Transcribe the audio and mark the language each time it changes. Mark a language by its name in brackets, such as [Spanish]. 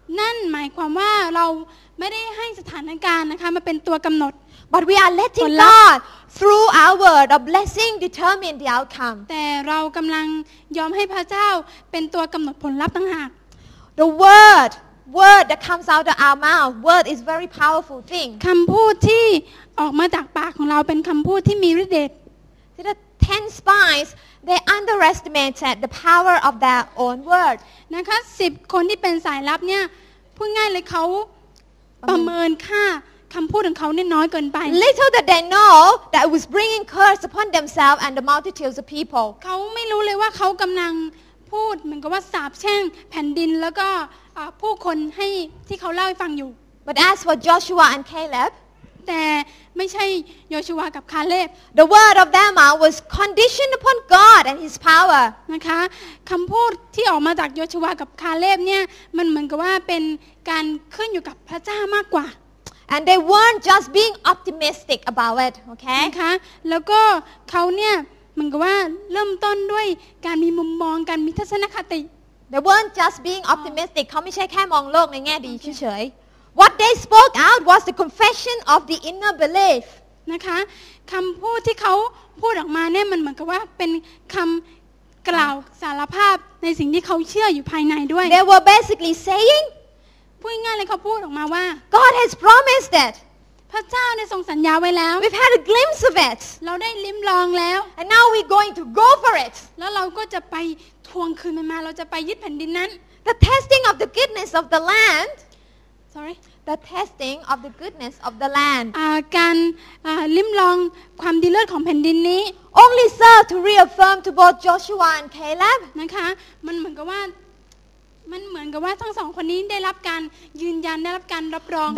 [Thai] นั่นหมายความว่าเราไม่ได้ให้สถานการณ์นะคะมาเป็นตัวกำหนด [English] but we are letting God through our word of blessing determine the outcome [Thai] แต่เรากำลังยอมให้พระเจ้าเป็นตัวกำหนดผลลัพธ์ต่างหาก [English] the word that comes out of our mouth word is very powerful thing [Thai] คำพูดที่ออกมาจากปากของเราเป็นคำพูดที่มีฤทธิ์เดช [English] the 10 spiesThey underestimated the power of their own word. [Thai] นะคะ 10 คนที่เป็นสายลับเนี่ยพูดง่ายเลยเขาประเมินค่าคำพูดของเขาเนี่ยน้อยเกินไป [English] Little did they know that it was bringing curse upon themselves and the multitudes of people. [Thai] เขาไม่รู้เลยว่าเขากำลังพูดเหมือนกับว่าสาปแช่งแผ่นดินแล้วก็ผู้คนให้ที่เขาเล่าให้ฟังอยู่ [English] But as for Joshua and Caleb. [Thai] แต่ไม่ใช่โยชูวากับคาเลบ [English] The word of their mouth was conditioned upon God and His power [Thai] นะคะคำพูดที่ออกมาจากโยชูวากับคาเลบเนี่ยมันเหมือนกับว่าเป็นการขึ้นอยู่กับพระเจ้ามากกว่า [English] And they weren't just being optimistic about it okay [Thai] นะคะแล้วก็เขาเนี่ยเหมือนกับว่าเริ่มต้นด้วยการมีมุมมองการมีทัศนคติ [English] They weren't just being optimistic [Thai] เขาไม่ใช่แค่มองโลกในแง่ดีเฉย [English] What they spoke out was the confession of the inner belief. [Thai] นะคะ คำพูดที่เขาพูดออกมาเนี่ยมันเหมือนกับว่าเป็นคำกล่าวสารภาพในสิ่งที่เขาเชื่ออยู่ภายในด้วย [English] They were basically saying, [Thai] พูดง่ายเลยเขาพูดออกมาว่า [English] God has promised it. [Thai] พระเจ้าได้ทรงสัญญาไว้แล้ว [English] We've had a glimpse of it. [Thai] เราได้ลิ้มลองแล้ว [English] And now we're going to go for it. [Thai] แล้วเราก็จะไปทวงคืนมันมาเราจะไปยึดแผ่นดินนั้น [English] The testing of the goodness of the land. The testing of the goodness of the land. [Thai] การลิ้มลองความดีเลิศของแผ่นดินนี้ [English] only served to reaffirm to both Joshua and Caleb. [Thai] นะคะมันเหมือนกับว่าทั้งสองคนนี้ได้รับการยืนยันได้รับการรับรอง